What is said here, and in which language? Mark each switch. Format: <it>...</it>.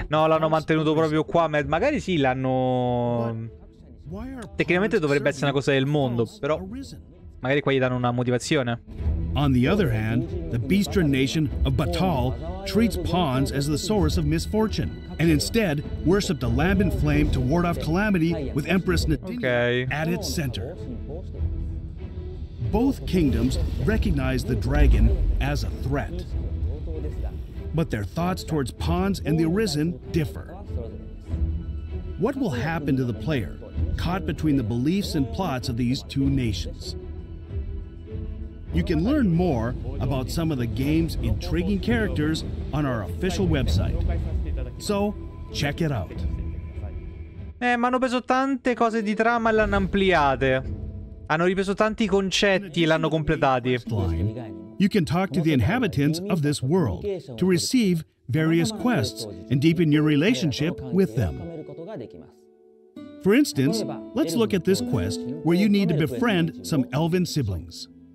<it>No, l'hanno mantenuto proprio qua, ma magari sì, l'hanno. Tecnicamente dovrebbe essere una cosa del mondo, però magari qua gli danno una motivazione.</it> <en>On the other hand, the Beastran nation of Batal treats pawns as the source of misfortune and instead worship the lamb in flame to ward off calamity with Empress Nadine at its center. Both kingdoms recognize the dragon as a threat, but their thoughts towards pawns and the Arisen differ. What will happen to the player caught between the beliefs and plots of these two nations? You can learn more about some of the game's intriguing characters on our official website. So, check it out.</en> <it>Ma hanno preso tante cose di trama e le hanno ampliate. Hanno ripreso tanti concetti e l'hanno completati.</it> <en>You can talk to the inhabitants of this world to receive various quests and deepen your relationship with them. For instance, let's look at this quest where you need to befriend some elven siblings.</en>